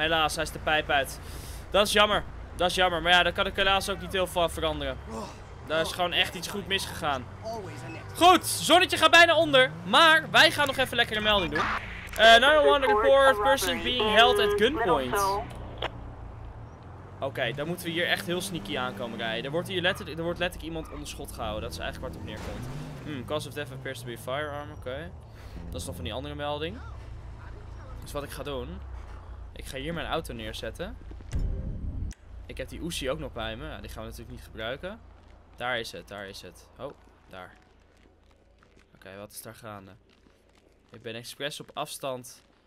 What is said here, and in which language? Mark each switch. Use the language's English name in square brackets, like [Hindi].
[Dutch] Helaas, hij is de pijp uit. Dat is jammer. Maar ja, daar kan ik helaas ook niet heel veel veranderen. Daar is gewoon echt iets goed misgegaan. Goed, zonnetje gaat bijna onder. Maar wij gaan nog even lekker een melding doen. [English] 911 report, person being held at gunpoint. [Dutch] Oké, dan moeten we hier echt heel sneaky aankomen rijden. Er wordt letterlijk iemand onder schot gehouden. Dat is eigenlijk waar het op neerkomt. [English] Cause of death appears to be a firearm, oké. [Dutch] Dat is nog van die andere melding. Dus wat ik ga doen. Ik ga hier mijn auto neerzetten. Ik heb die Uzi ook nog bij me. Ja, die gaan we natuurlijk niet gebruiken. Daar is het. Oh, daar. Oké, wat is daar gaande? Ik ben expres op afstand.